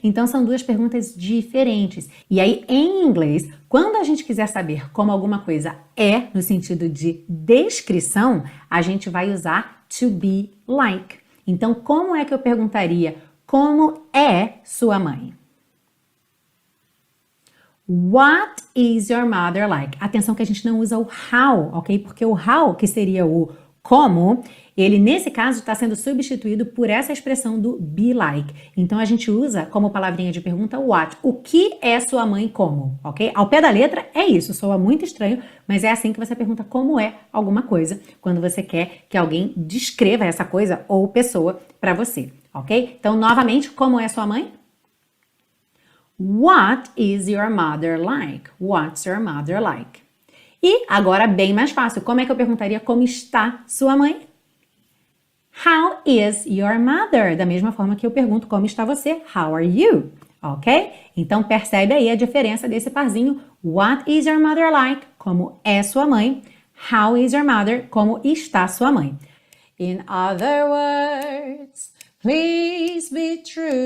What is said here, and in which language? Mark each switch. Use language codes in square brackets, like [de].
[pt] Então, são duas perguntas diferentes. E aí, em inglês, quando a gente quiser saber como alguma coisa é, no sentido de descrição, a gente vai usar to be like. Então, como é que eu perguntaria como é sua mãe? [en] What is your mother like? [pt] Atenção que a gente não usa o how, ok? Porque o how, que seria o como, ele, nesse caso, está sendo substituído por essa expressão do be like. Então, a gente usa como palavrinha de pergunta what. O que é sua mãe como, ok? Ao pé da letra, é isso. Soa muito estranho, mas é assim que você pergunta como é alguma coisa quando você quer que alguém descreva essa coisa ou pessoa para você, ok? Então, novamente, como é sua mãe? [en] What is your mother like? What's your mother like? [pt] E agora, bem mais fácil, como é que eu perguntaria como está sua mãe? [en] How is your mother? [pt] Da mesma forma que eu pergunto como está você, [en] how are you? [pt] Ok? Então, percebe aí a diferença desse parzinho. [en] What is your mother like? [pt] Como é sua mãe? [en] How is your mother? [pt] Como está sua mãe? [en] In other words, please be true.